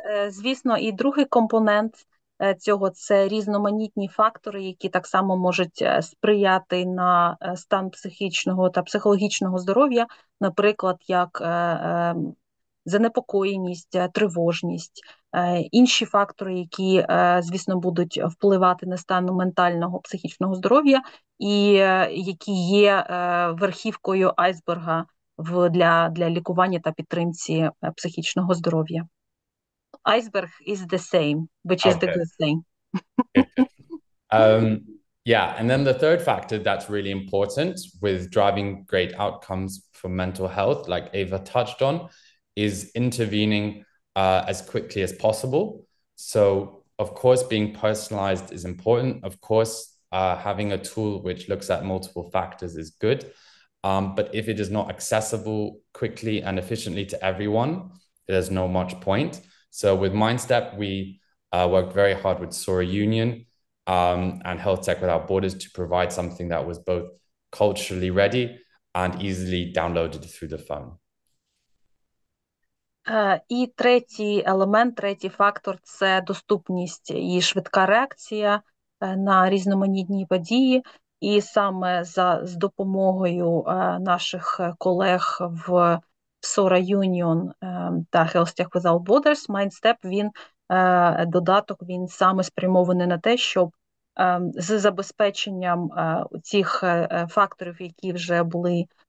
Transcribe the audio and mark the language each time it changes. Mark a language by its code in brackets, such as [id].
[uk] Звісно, і другий компонент цього – це різноманітні фактори, які так само можуть сприяти на стан психічного та психологічного здоров'я, наприклад, як занепокоєність, тривожність, інші фактори, які, звісно, будуть впливати на стан ментального, психічного здоров'я і які є верхівкою айсберга для лікування та підтримці психічного здоров'я. [en] Iceberg is the same, which is the good thing. And then the third factor that's really important with driving great outcomes for mental health, like Ava touched on, is intervening as quickly as possible. So of course, being personalized is important. Of course, having a tool which looks at multiple factors is good. But if it is not accessible quickly and efficiently to everyone, there's no much point. So with MindStep, we worked very hard with Sora Union and Health Tech Without Borders to provide something that was both culturally ready and easily downloaded through the phone. [uk] І третій елемент, третій фактор – це доступність і швидка реакція на різноманітні події. І саме з допомогою наших колег в Sora Union та Health Tech Without Borders, MindStep, він додаток, він саме спрямований на те, щоб з забезпеченням цих факторів, які вже були,